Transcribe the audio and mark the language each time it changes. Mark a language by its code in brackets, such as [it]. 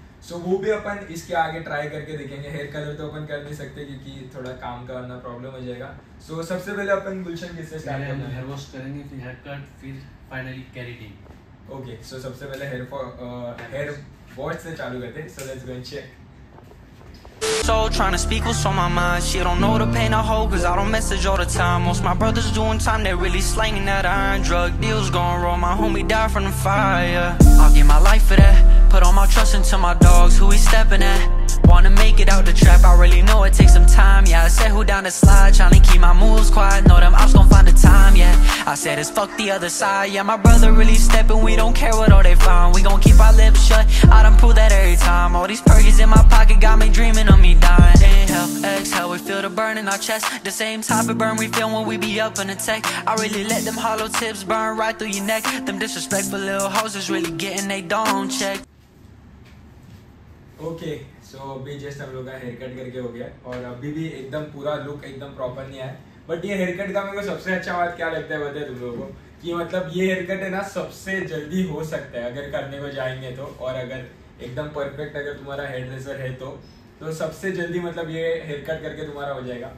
[hi] सो वो भी अपन इसके आगे ट्राई करके देखेंगे। हेयर कलर तो अपन कर नहीं सकते क्योंकि थोड़ा काम करना प्रॉब्लम हो जाएगा। सो सबसे पहले अपन गुलशन किससे स्टार्ट करेंगे? हेयर वॉश करेंगे, फिर हेयर कट, फिर फाइनली केराटिन। ओके, सो सबसे पहले हेयर हेयर वॉश से चालू करते हैं। So [en] Let's go and check. So trying to speak what's on my mind, she don't know the pain I hold, cause I don't message all the time. Most my brothers doing time, they really slanging that iron. Drug deals gone wrong, my homie died from the fire. I'll give my life for that, put all my trust into my dogs, who he stepping at? Wanna make it out the trap, I really know it takes some time. Yeah, I said who down the slide, trying to keep my moves quiet, know them ops gon' find the time, yeah. I said it's fuck the other side, yeah, my brother really stepping, we don't care what all they find. We gon' keep our lips shut, I done prove that every time. All these perks in my pocket got me dreaming of me dying. Inhale, exhale, we feel the burn in our chest, the same type of burn we feel when we be up in the tech. I really let them hollow tips burn right through your neck, them disrespectful little hoes is really getting they don't check. [hi] Okay, सो अभी just हम लोग का hair cut करके हो गया, और अभी भी एकदम पूरा लुक एकदम प्रॉपर नहीं आया। बट ये हेयर कट का मेरे को सबसे अच्छा बात क्या लगता है बताए तुम लोगों को, कि मतलब ये हेयर कट है ना सबसे जल्दी हो सकता है अगर करने को जाएंगे तो, और अगर एकदम परफेक्ट अगर तुम्हारा हेयर ड्रेसर है तो सबसे जल्दी मतलब ये हेयर कट करके तुम्हारा हो जाएगा।